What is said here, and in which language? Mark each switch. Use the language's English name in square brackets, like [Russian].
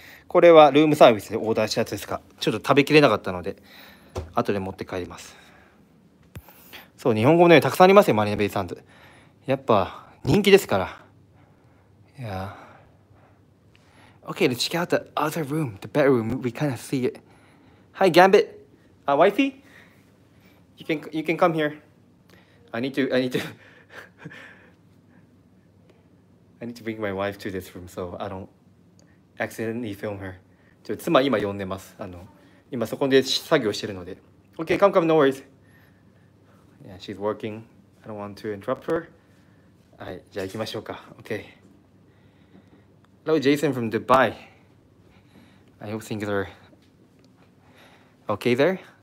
[Japanese] これはルームサービスでオーダーしたやつですか。ちょっと食べきれなかったので、後で持って帰ります。そう、日本語のようにたくさんありますよ、マリナベイサンズ。やっぱ人気ですから。いやー。 [English] Okay, let's check out the other room, the bedroom. We kind of see it. Hi, Gambit. Wifey? You can come here. I need to I need to bring my wife to this room so I don't accidentally film her. [Japanese] ちょ、妻今呼んでます。今そこで作業してるので。 [English] Okay, come, no worries. Yeah, she's working. I don't want to interrupt her. [Japanese] はい、じゃあ行きましょうか。 [English] Okay. Hello, Jason from Dubai. I hope things are okay there.